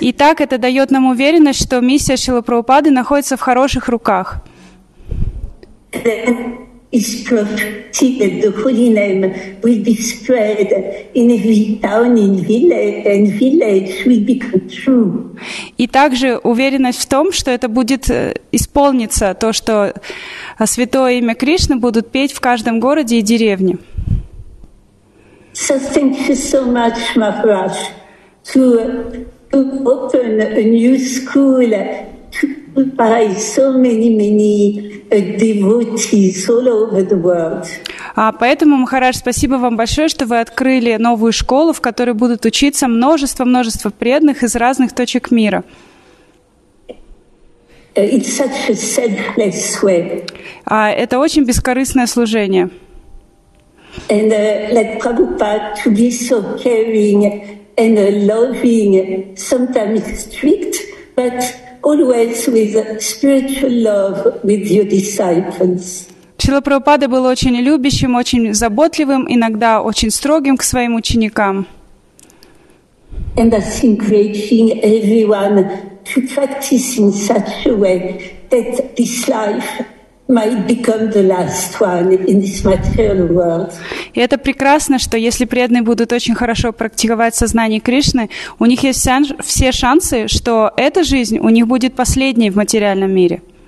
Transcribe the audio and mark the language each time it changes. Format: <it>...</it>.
<ru>Итак, это дает нам уверенность, что миссия Шрилы Прабхупады находится в хороших руках.</ru> <en>It's prophetic that the holy name will be spread in every town and village will become true.</en> <ru>И также уверенность в том, что это будет исполниться, то, что святое имя Кришны будут петь в каждом городе и деревне.</ru> <en>So thank you so much, Maharaj, to open a new school, by so many devotees all over the world.</en> <ru>Поэтому, Махарадж, спасибо вам большое, что вы открыли новую школу, в которой будут учиться множество преданных из разных точек мира.</ru> <en>It's such a selfless way.</en> <ru>Это очень бескорыстное служение.</ru> <en>And like Prabhupada, to be so caring and loving, sometimes strict, but always with spiritual love with your disciples.</en> <ru>Шрила Прабхупада был очень любящим, очень заботливым, иногда очень строгим к своим ученикам.</ru> <en>And that's encouraging everyone to practice in such a way that this life might become the last one in this material world.</en> <ru>И это прекрасно, что если преданные будут очень хорошо практиковать сознание Кришны, у них есть все шансы, что эта жизнь у них будет последней в материальном мире.</ru>